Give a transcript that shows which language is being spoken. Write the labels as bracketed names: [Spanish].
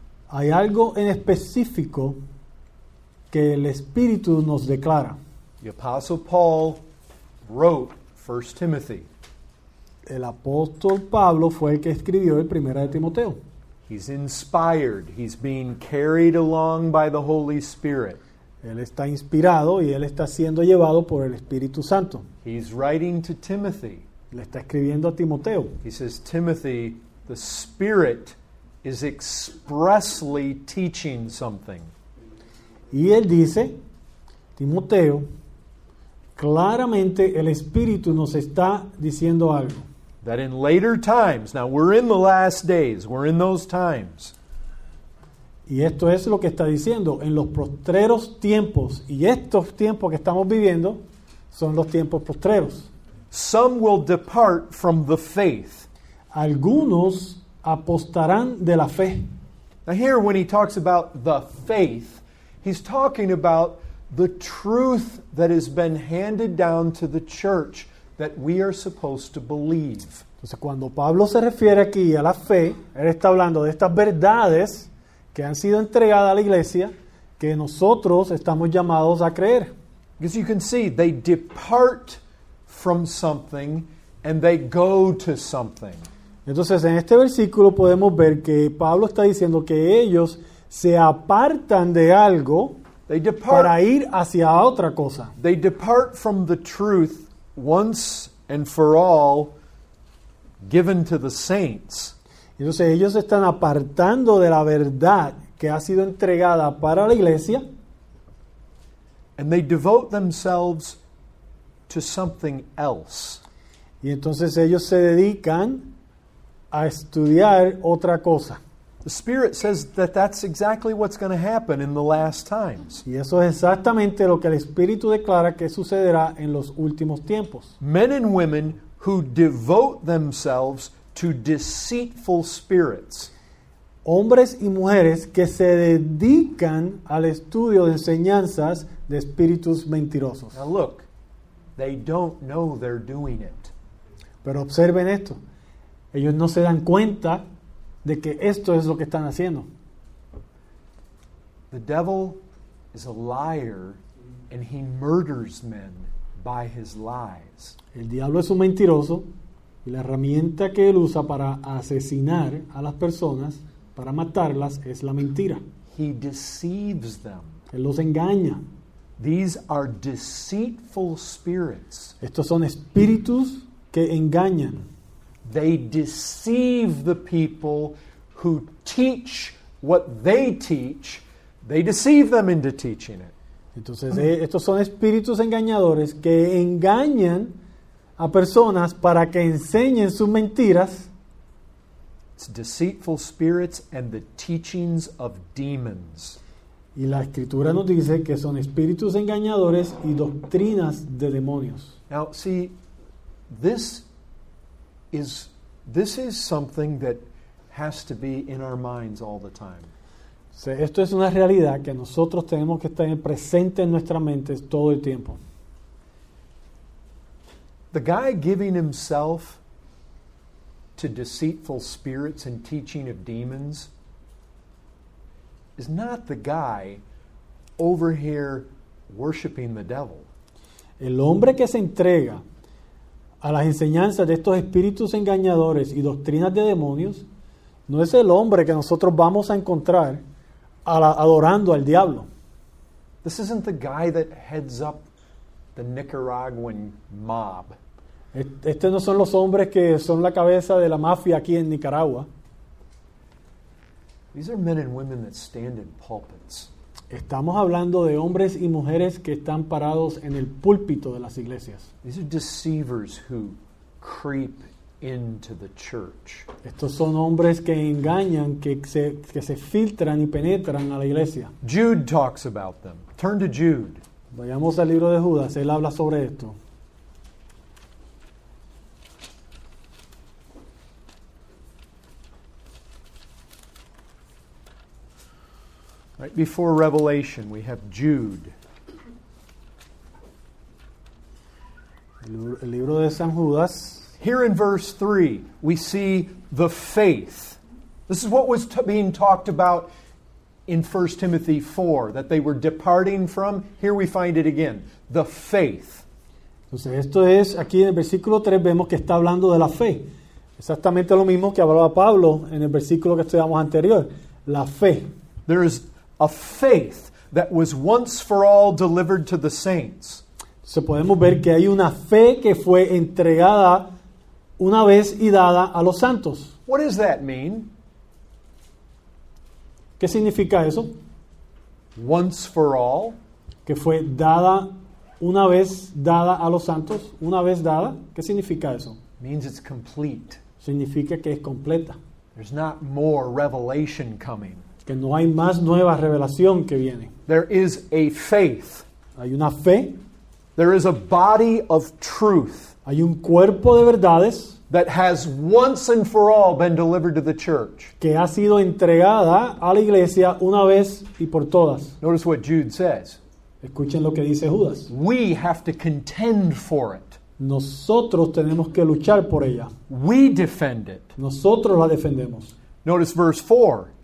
[Spanish] Hay algo en específico que el Espíritu nos declara. [English] The Apostle Paul wrote 1 Timothy. [Spanish] El apóstol Pablo fue el que escribió el 1 de Timoteo. [English] He's inspired. He's being carried along by the Holy Spirit. [Spanish] Él está inspirado y él está siendo llevado por el Espíritu Santo. [English] He's writing to Timothy. [Spanish] Le está escribiendo a Timoteo. [English] He says, Timothy, the Spirit is expressly teaching something. [Spanish] Y él dice, Timoteo, claramente el Espíritu nos está diciendo algo. [English] That in later times, now we're in the last days, we're in those times. [Spanish] Y esto es lo que está diciendo, en los postreros tiempos, y estos tiempos que estamos viviendo, son los tiempos postreros. [English] Some will depart from the faith. [Spanish] Algunos apostarán de la fe. [English] Now here when he talks about the faith, he's talking about the truth that has been handed down to the church that we are supposed to believe. [Spanish] Entonces, cuando Pablo se refiere aquí a la fe, él está hablando de estas verdades que han sido entregadas a la iglesia que nosotros estamos llamados a creer. [English] Because you can see, they depart from something and they go to something. [Spanish] Entonces, en este versículo podemos ver que Pablo está diciendo que ellos se apartan de algo para ir hacia otra cosa. [English] They depart from the truth once and for all given to the saints. [Spanish] Entonces ellos están apartando de la verdad que ha sido entregada para la iglesia. [English] And they devote themselves to something else. [Spanish] Y entonces ellos se dedican a estudiar otra cosa. [English] The Spirit says that that's exactly what's going to happen in the last times. [Spanish] Y eso es exactamente lo que el Espíritu declara que sucederá en los últimos tiempos. [English] Men and women who devote themselves to deceitful spirits. [Spanish] Hombres y mujeres que se dedican al estudio de enseñanzas de espíritus mentirosos. [English] Now look, they don't know they're doing it. [Spanish] Pero observen esto. Ellos no se dan cuenta de que esto es lo que están haciendo. [English] The devil is a liar and he murders men by his lies. [Spanish] El diablo es un mentiroso y la herramienta que él usa para asesinar a las personas, para matarlas, es la mentira. [English] He deceives them. [Spanish] Él los engaña. [English] These are deceitful spirits. [Spanish] Estos son espíritus que engañan. [English] They deceive the people who teach what they teach. They deceive them into teaching it. [Spanish] Entonces, estos son espíritus engañadores que engañan a personas para que enseñen sus mentiras. [English] It's deceitful spirits and the teachings of demons. [Spanish] Y la Escritura nos dice que son espíritus engañadores y doctrinas de demonios. [English] Now, see, this is something that has to be in our minds all the time. [Spanish] So, esto es una realidad que nosotros tenemos que estar presente en nuestra mente todo el tiempo. [English] The guy giving himself to deceitful spirits and teaching of demons is not the guy over here worshiping the devil. [Spanish] El hombre que se entrega a las enseñanzas de estos espíritus engañadores y doctrinas de demonios, no es el hombre que nosotros vamos a encontrar adorando al diablo. [English] This isn't the guy that heads up the Nicaraguan mob. [Spanish] Estos no son los hombres que son la cabeza de la mafia aquí en Nicaragua. [English] These are men and women that stand in pulpits. [Spanish] Estamos hablando de hombres y mujeres que están parados en el púlpito de las iglesias. [English] These are deceivers who creep into the church. [Spanish] Estos son hombres que engañan, que se filtran y penetran a la iglesia. [English] Jude talks about them. Turn to Jude. [Spanish] Vayamos al libro de Judas, él habla sobre esto. [English] Right before Revelation, we have Jude. [Spanish] El libro de San Judas. [English] Here in verse 3, we see the faith. This is what was being talked about in 1 Timothy 4, that they were departing from. Here we find it again, the faith. [Spanish] Entonces, esto es, aquí en el versículo 3 vemos que está hablando de la fe. Exactamente lo mismo que hablaba Pablo en el versículo que estudiamos anterior, la fe. [English] There is a faith that was once for all delivered to the saints. [Spanish] Se podemos ver que hay una fe que fue entregada una vez y dada a los santos. [English] What does that mean? [Spanish] ¿Qué significa eso? [English] Once for all. [Spanish] Que fue dada una vez dada a los santos. Una vez dada. ¿Qué significa eso? [English] Means it's complete. [Spanish] Significa que es completa. [English] There's not more revelation coming. [Spanish] Que no hay más nueva revelación que viene. [English] There is a faith. [Spanish] Hay una fe. [English] There is a body of truth. [Spanish] Hay un cuerpo de verdades. [English] That has once and for all been delivered to the church. [Spanish] Que ha sido entregada a la iglesia una vez y por todas. [English] Notice what Jude says. [Spanish] Escuchen lo que dice Judas. [English] We have to contend for it. [Spanish] Nosotros tenemos que luchar por ella. [English] We defend it. [Spanish] Nosotros la defendemos. [English] Notice verse 4.